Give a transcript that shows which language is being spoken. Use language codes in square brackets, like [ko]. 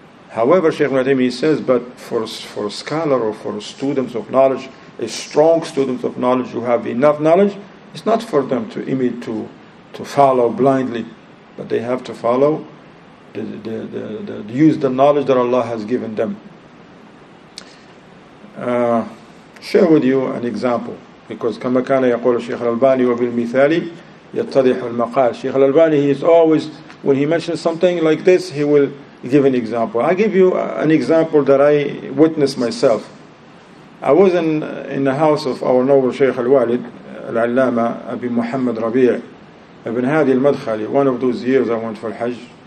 [en] However, Sheikh Al-Ataymin says, but for a scholar or for students of knowledge, a strong student of knowledge who have enough knowledge, it's not for them to imitate, to follow blindly, but they have to follow, the use the knowledge that Allah has given them. Share with you an example, because [ar] كما كان يقول الشيخ الألباني وبالمثال يتضح المقال. [en] Sheikh Al-Albani, he is always, when he mentions something like this, he will give an example. I give you an example that I witnessed myself. I was in the house of our noble Shaykh al-Walid, al-Allama, Abi Muhammad Rabi' Ibn Hadi al-Madkhali, one of those years I went for Hajj.